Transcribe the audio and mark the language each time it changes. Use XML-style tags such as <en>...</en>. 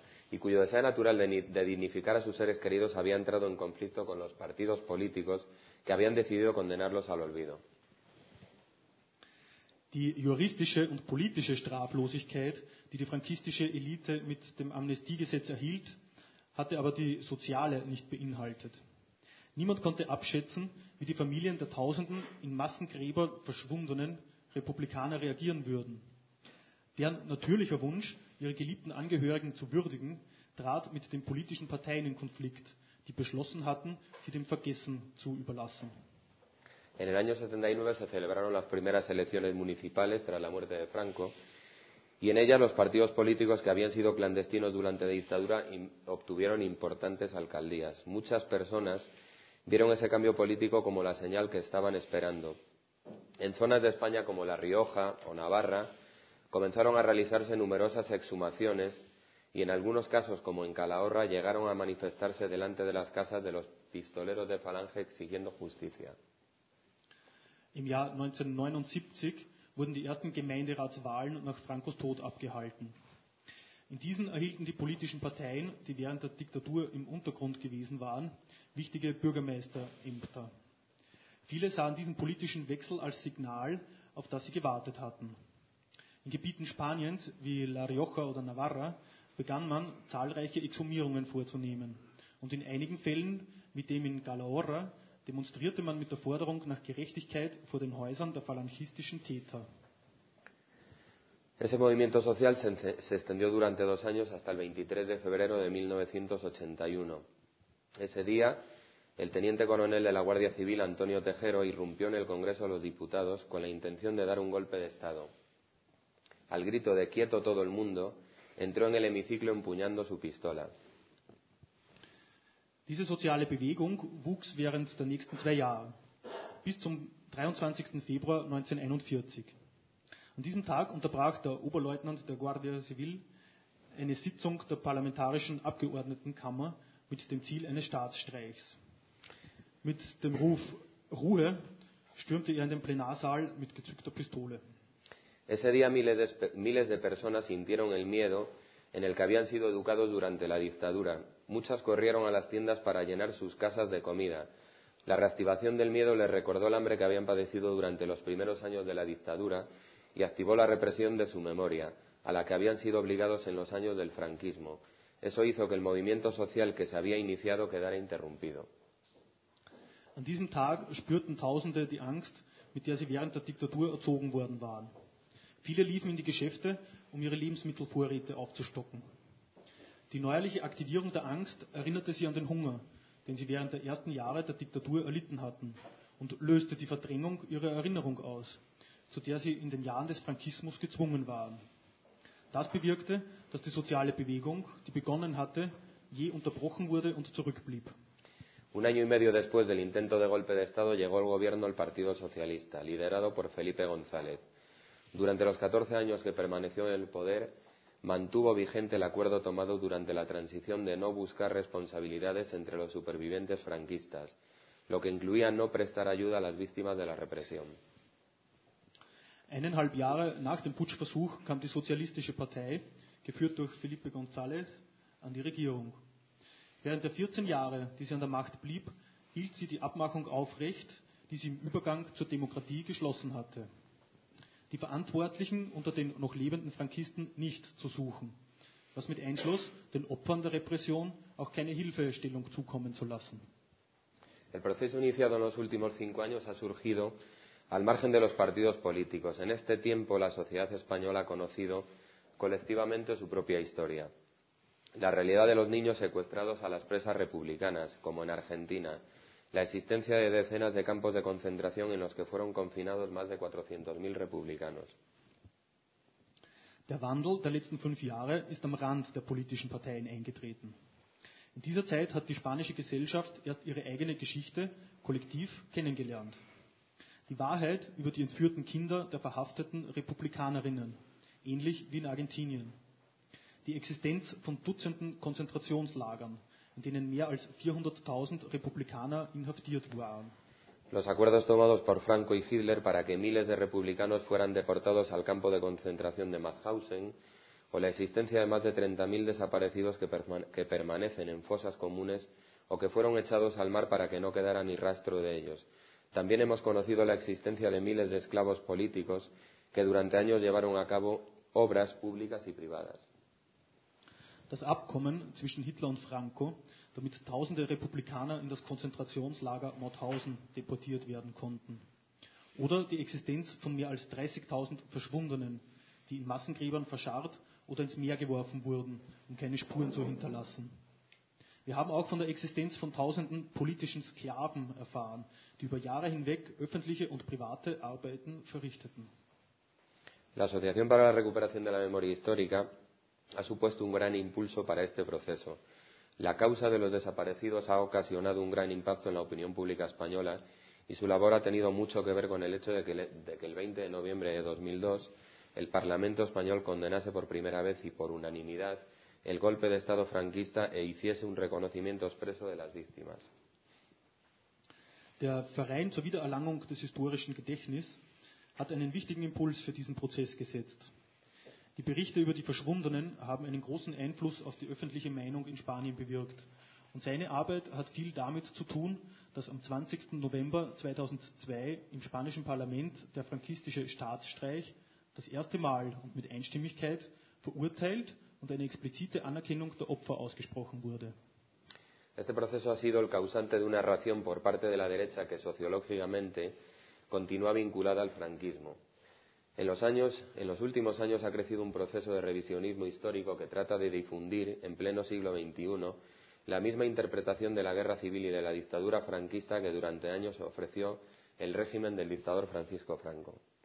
<es>Y cuyo deseo natural de dignificar a sus seres queridos había entrado en conflicto con los partidos políticos que habían decidido condenarlos al olvido.</es> <de>Die juristische und politische Straflosigkeit, die die frankistische Elite mit dem Amnestiegesetz erhielt, hatte aber die soziale nicht beinhaltet. Niemand konnte abschätzen, wie die Familien der Tausenden in Massengräber verschwundenen Republikaner reagieren würden. Deren natürlicher Wunsch, ihre geliebten Angehörigen zu würdigen, trat mit den politischen Parteien in Konflikt, die beschlossen hatten, sie dem Vergessen zu überlassen.</de> <es>En el año 79 se celebraron las primeras elecciones municipales tras la muerte de Franco. Y en ellas los partidos políticos que habían sido clandestinos durante la dictadura obtuvieron importantes alcaldías. Muchas personas vieron ese cambio político como la señal que estaban esperando. En zonas de España como La Rioja o Navarra comenzaron a realizarse numerosas exhumaciones y en algunos casos, como en Calahorra, llegaron a manifestarse delante de las casas de los pistoleros de Falange exigiendo justicia.</es> <de>Im Jahr 1979 wurden die ersten Gemeinderatswahlen nach Francos Tod abgehalten. In diesen erhielten die politischen Parteien, die während der Diktatur im Untergrund gewesen waren, wichtige Bürgermeisterämter. Viele sahen diesen politischen Wechsel als Signal, auf das sie gewartet hatten. In Gebieten Spaniens wie La Rioja oder Navarra begann man, zahlreiche Exhumierungen vorzunehmen. Und in einigen Fällen, wie dem in Calahorra, demonstrierte man mit der Forderung nach Gerechtigkeit vor den Häusern der falangistischen Täter.</de> <es>Ese movimiento social se extendió durante dos años hasta el 23 de febrero de 1981. Ese día, El teniente coronel de la Guardia Civil, Antonio Tejero, irrumpió en el Congreso de los Diputados con la intención de dar un golpe de Estado. Al grito de «quieto todo el mundo», entró en el hemiciclo empuñando su pistola.</es> <de>Diese soziale Bewegung wuchs während der nächsten zwei Jahre, bis zum 23. Februar 1941. An diesem Tag unterbrach der Oberleutnant der Guardia Civil eine Sitzung der parlamentarischen Abgeordnetenkammer mit dem Ziel eines Staatsstreichs. Mit dem Ruf «Ruhe» stürmte er in den Plenarsaal mit gezückter Pistole.</de> <es>Ese día miles de personas sintieron el miedo en el que habían sido educados durante la dictadura. Muchas corrieron a las tiendas para llenar sus casas de comida. La reactivación del miedo les recordó el hambre que habían padecido durante los primeros años de la dictadura y activó la represión de su memoria, a la que habían sido obligados en los años del franquismo. Eso hizo que el movimiento social que se había iniciado quedara interrumpido.</es> <de>An diesem Tag spürten Tausende die Angst, mit der sie während der Diktatur erzogen worden waren. Viele liefen in die Geschäfte, um ihre Lebensmittelvorräte aufzustocken. Die neuerliche Aktivierung der Angst erinnerte sie an den Hunger, den sie während der ersten Jahre der Diktatur erlitten hatten, und löste die Verdrängung ihrer Erinnerung aus, zu der sie in den Jahren des Frankismus gezwungen waren. Das bewirkte, dass die soziale Bewegung, die begonnen hatte, je unterbrochen wurde und zurückblieb.</de> <es>Un año y medio después del intento de golpe de Estado llegó al gobierno el Partido Socialista, liderado por Felipe González. Durante los 14 años que permaneció en el poder, mantuvo vigente el acuerdo tomado durante la transición de no buscar responsabilidades entre los supervivientes franquistas, lo que incluía no prestar ayuda a las víctimas de la represión.</es> <de>Eineinhalb Jahre nach dem Putschversuch kam die sozialistische Partei, geführt durch Felipe González, an die Regierung. Während der 14 Jahre, die sie an der Macht blieb, hielt sie die Abmachung aufrecht, die sie im Übergang zur Demokratie geschlossen hatte. Die Verantwortlichen unter den noch lebenden Frankisten nicht zu suchen, was mit Einschluss den Opfern der Repression auch keine Hilfestellung zukommen zu lassen.</de> <es>El proceso iniciado en los últimos 5 años ha surgido al margen de los partidos políticos. En este tiempo la sociedad española ha conocido colectivamente su propia historia. La realidad de los niños secuestrados a las presas republicanas, como en Argentina, la existencia de decenas de campos de concentración en los que fueron confinados más de 400.000 republicanos.</es> <de>Der Wandel der letzten 5 Jahre ist am Rand der politischen Parteien eingetreten. In dieser Zeit hat die spanische Gesellschaft erst ihre eigene Geschichte kollektiv kennengelernt. Die Wahrheit über die entführten Kinder der verhafteten Republikanerinnen, ähnlich wie in Argentinien. Die Existenz von Dutzenden Konzentrationslagern, in denen mehr als 400.000 Republikaner inhaftiert waren.</de> <es>Los acuerdos tomados por Franco y Hitler para que miles de republicanos fueran deportados al campo de concentración de Mauthausen, o la existencia de más de 30.000 desaparecidos que permanecen en fosas comunes o que fueron echados al mar para que no quedara ni rastro de ellos. También hemos conocido la existencia de miles de esclavos políticos que durante años llevaron a cabo obras públicas y privadas.</es> <de>Das Abkommen zwischen Hitler und Franco, damit tausende Republikaner in das Konzentrationslager Mauthausen deportiert werden konnten. Oder die Existenz von mehr als 30.000 Verschwundenen, die in Massengräbern verscharrt oder ins Meer geworfen wurden, um keine Spuren zu hinterlassen. Wir haben auch von der Existenz von tausenden politischen Sklaven erfahren, die über Jahre hinweg öffentliche und private Arbeiten verrichteten.</de> <es>La Asociación para la Recuperación de la Memoria Histórica ha supuesto un gran impulso para este proceso. La causa de los desaparecidos ha ocasionado un gran impacto en la opinión pública española y su labor ha tenido mucho que ver con el hecho de que el 20 de noviembre de 2002 el Parlamento español condenase por primera vez y por unanimidad el golpe de Estado franquista e hiciese un reconocimiento expreso de las víctimas.</es> <de>Der Verein zur Wiedererlangung des historischen Gedächtnis hat einen wichtigen Impuls für diesen Prozess gesetzt. Die Berichte über die Verschwundenen haben einen großen Einfluss auf die öffentliche Meinung in Spanien bewirkt. Und seine Arbeit hat viel damit zu tun, dass am 20. November 2002 im spanischen Parlament der frankistische Staatsstreich das erste Mal und mit Einstimmigkeit verurteilt und eine explizite Anerkennung der Opfer ausgesprochen wurde.</de> <es>Este proceso ha sido el causante de una reacción por parte de la derecha que sociológicamente continúa vinculada al franquismo. En los últimos años ha crecido un proceso de revisionismo histórico que trata de difundir, en pleno siglo XXI, la misma interpretación de la guerra civil y de la dictadura franquista que durante años ofreció el régimen del dictador Francisco Franco.</es>